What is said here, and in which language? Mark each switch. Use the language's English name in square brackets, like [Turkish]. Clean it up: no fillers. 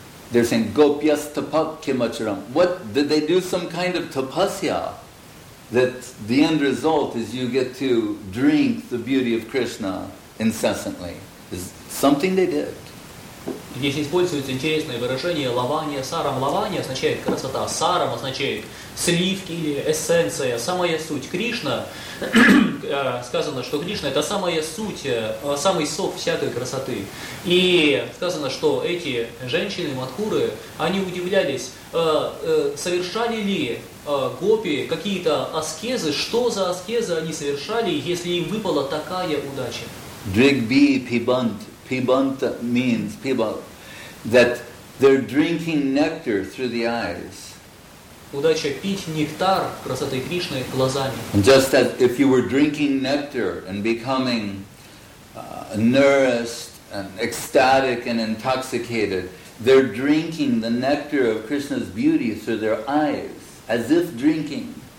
[English] They're saying, [Sanskrit] Gopyas tapak kimacharam. [English] What, did they do some kind of tapasya that the end result is you get to drink the beauty of Krishna incessantly. It's something they did. [Russian] Здесь используется интересное выражение лавания сарам. Лавания означает красота, сарам означает сливки или эссенция, самая суть. Кришна, сказано, что Кришна это самая суть, самый сок всякой красоты. И сказано, что эти женщины, мадхуры, они удивлялись, совершали ли гопи какие-то аскезы, что за аскезы они совершали, если им выпала такая удача. [Sanskrit] Дригби пибант. [English] Pibanta means people that they're drinking nectar through the eyes. [Russian] Удача пить нектар красоты Кришны глазами. [English] Just as if you were drinking nectar and becoming nourished and ecstatic and intoxicated, they're drinking the nectar of Krishna's beauty through their eyes, as if drinking.